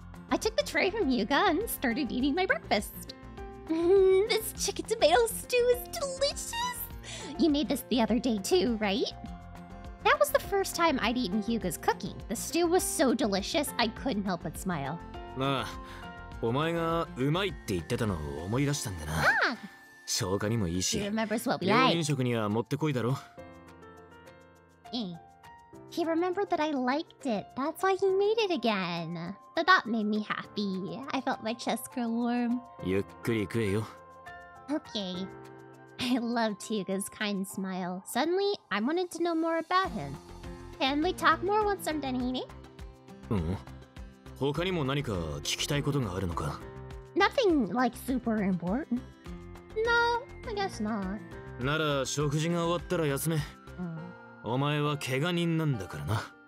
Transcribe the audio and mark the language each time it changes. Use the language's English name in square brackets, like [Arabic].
[English] I took the tray from Hyuga and started eating my breakfast. This chicken tomato stew is delicious! You made this the other day too, right? That was the first time I'd eaten Hyuga's cooking. The stew was so delicious, I couldn't help but smile. [Japanese] ああ、お前がうまいって言ってたのを思い出したんだな。消化にもいいし、料理食にはもってこいだろ。 [English] He remembered that I liked it. That's why he made it again. The thought made me happy. I felt my chest grow warm. [Japanese] ゆっくり食えよ。 [English] Okay. I loved Hyuga's kind smile. Suddenly, I wanted to know more about him. Can we talk more once I'm done eating? [Japanese] うん。他にも何か聞きたいことがあるのか? [English] Nothing like super important. No, I guess not. [Japanese] なら食事が終わったら休め。お前は怪我人なんだからな。